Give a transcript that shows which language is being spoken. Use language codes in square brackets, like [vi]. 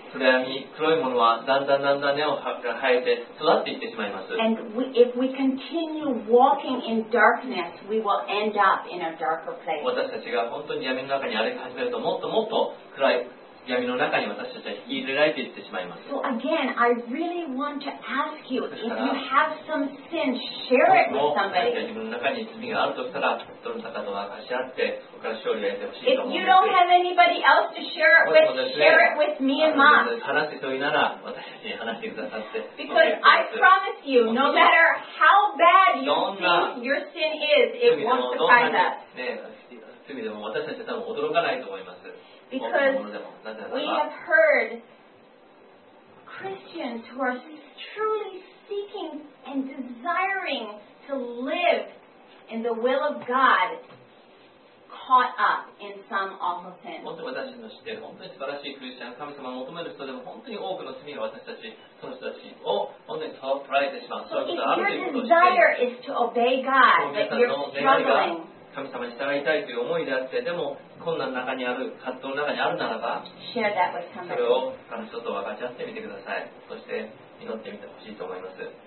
[ja] 暗闇、黒いものはだんだんだんだん根を生えて育っていってしまいます。 [en] And we, if we continue walking in darkness, we will end up in a darker place. [ja] 私たちが本当に闇の中に歩き始めると、もっともっと暗い闇の中に私たちは引き入れられていってしまいます。 [en] So again, I really want to ask you, if you have some sin, share it with somebody. [ja] 自分の中に罪があるとしたら、どなたかと分かし合って、お菓子を入れてほしいと思います。 [en] If you don't have anybody else to share it with, share it with me and Mom. [ja] 話す人いなら、私たちに話してくださって。 [en] Because I promise you, no matter how bad you think your sin is, it won't surprise us. [ja] 罪でも私たちは多分驚かないと思います。 [en] Because we have heard Christians who are truly seeking and desiring to live in the will of God caught up in some awful sin. [ja] 本当に私の知っている本当に素晴らしいクリスチャン、神様を求める人でも本当に多くの罪が私たち、その人たちを本当に捉えてしまう。そういうことがあるということを知っている。 [en] So if your desire is to obey God, but you're struggling. [ja] 神様に従いたいという思いであって、でも困難の中にある、葛藤の中にあるならば、それを他の人と分かち合ってみてください。そして祈ってみてほしいと思います。